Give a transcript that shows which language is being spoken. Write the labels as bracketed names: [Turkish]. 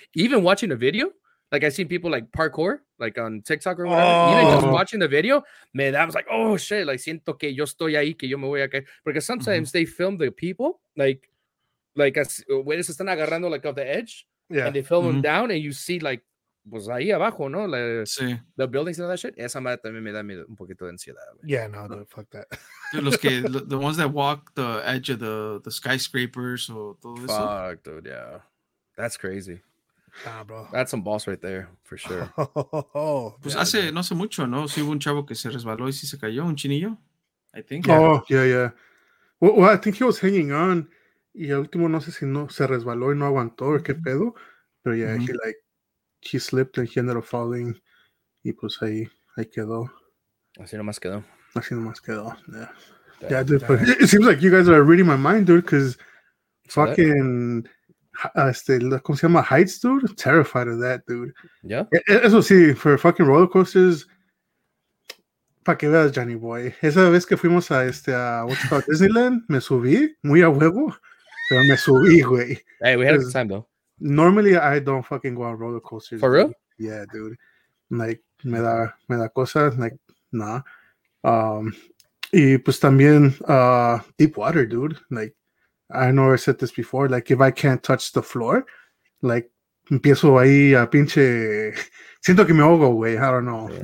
[English] Even watching a video, like, I've seen people like parkour, like on TikTok or whatever. Even just watching the video, man, I was like, oh shit, like, [Spanish] siento que yo estoy ahí, que yo me voy a caer. [English] Because sometimes they film the people, like as when [Spanish] se están agarrando [English] like off the edge, yeah, and they film them down, and you see like. [Spanish] Pues ahí abajo, ¿no? [English] The buildings and all that shit. [Spanish] Esa madre también me da un poquito de ansiedad. [English] Man. Yeah, no, dude, fuck that. Dude, the ones that walk the edge of the skyscrapers or [Spanish] todo eso. [English] Fuck, dude, yeah. That's crazy. Ah, bro. That's some boss right there, for sure. [Spanish] Pues yeah, hace, dude. No hace mucho, ¿no? Sí hubo un chavo que se resbaló y sí se cayó, un chinillo, [English] I think. Oh, yeah. Well, I think he was hanging on. [Spanish] Y al último, no sé si no se resbaló y no aguantó, o qué pedo. [English] Pero yeah, he slipped and he ended up falling. [Spanish] Y pues ahí quedó. Así nomás quedó. Así nomás quedó. [English] Yeah, dude, but it seems like you guys are reading my mind, dude, because fucking, [Spanish] ¿cómo se llama? [English] Heights, dude? I'm terrified of that, dude. Yeah. [Spanish] Eso sí, [English] for fucking roller coasters, [Spanish] para que veas, Johnny Boy. Esa vez que fuimos a [English] what's it called, [Spanish] Disneyland, me subí muy a huevo, pero me subí, güey. [English] Hey, we had a good time, though. Normally, I don't fucking go on roller coasters. For real? Dude. Yeah, dude. Like, [Spanish] me da cosas, [English] like, nah. [Spanish] Y pues también [English] deep water, dude. Like, I know I said this before. Like, if I can't touch the floor, like, [Spanish] empiezo ahí a pinche. Siento que me ahogo, güey. [English] I don't know. Yeah.